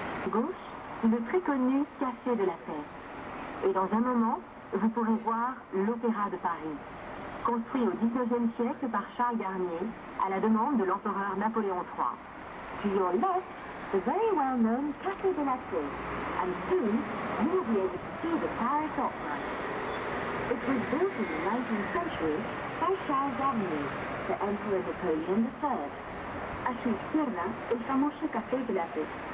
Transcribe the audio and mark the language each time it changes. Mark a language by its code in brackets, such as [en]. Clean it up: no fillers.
[fr] Gauche, le très connu Café de la Paix. Et dans un moment, vous pourrez voir l'Opéra de Paris. Construit au XIXe siècle par Charles Garnier, à la demande de l'empereur Napoléon III. [en] To your left, the very well-known Café de la Paix. And soon, you will be able to see the Paris Opera. It was built in the 19th century by Charles Garnier, the Emperor Napoleon III. [es] A su izquierda, el famoso Café de la Paix.